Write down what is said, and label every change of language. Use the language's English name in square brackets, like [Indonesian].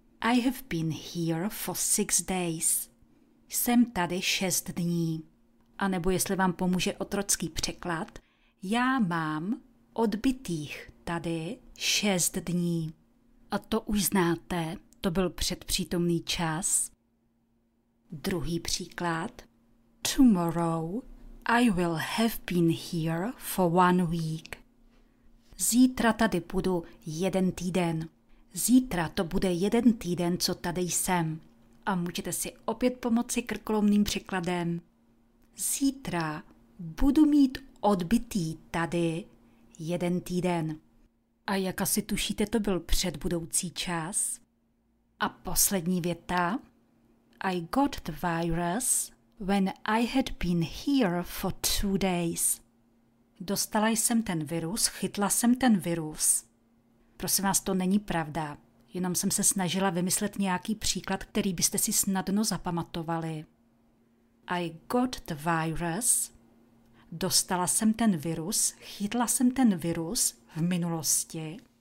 [English] I have been here for 6 days. [Czech] Jsem tady 6 dní. A nebo jestli vám pomůže otrocký překlad, já mám odbytých tady 6 dní. A to už znáte, to byl předpřítomný čas. Druhý příklad. [English] Tomorrow I will have been here for 1 week. [Czech] Zítra tady budu 1 týden. Zítra to bude 1 týden, co tady jsem. A můžete si opět pomoci krkolomným překladem. Zítra budu mít odbytý tady 1 týden. A jak asi tušíte, to byl předbudoucí čas. A poslední věta. [English] I got the virus when I had been here for 2 days. [Czech] Dostala jsem ten virus, chytla jsem ten virus. Prosím vás, to není pravda. Jenom jsem se snažila vymyslet nějaký příklad, který byste si snadno zapamatovali. [English] I got the virus. [Czech] Dostala jsem ten virus, chytla jsem ten virus v minulosti.